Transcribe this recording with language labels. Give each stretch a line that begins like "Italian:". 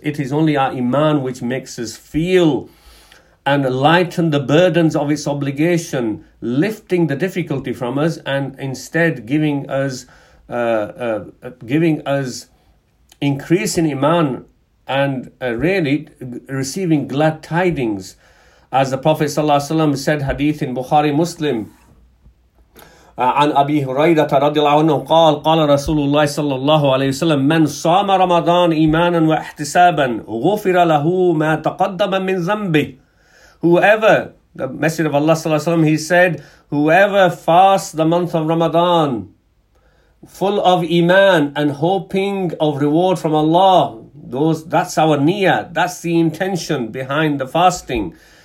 English: It is only our iman which makes us feel and lighten the burdens of its obligation, lifting the difficulty from us and instead giving us increase in iman and really receiving glad tidings. As the Prophet sallallahu alaihi wasallam said, hadith in Bukhari Muslim,
Arabic: عن أبي هريرة رضي الله عنه قال قال رسول الله صلى الله عليه وسلم من صام رمضان إيمانا واحتسابا غفر له ما تقدم من ذنبه.
English: Whoever, the Messenger of Allah
Arabic: صلى الله عليه وسلم,
English: he said, whoever fasts the month of Ramadan full of iman and hoping of reward from Allah, that's our niyyah, that's the intention behind the fasting.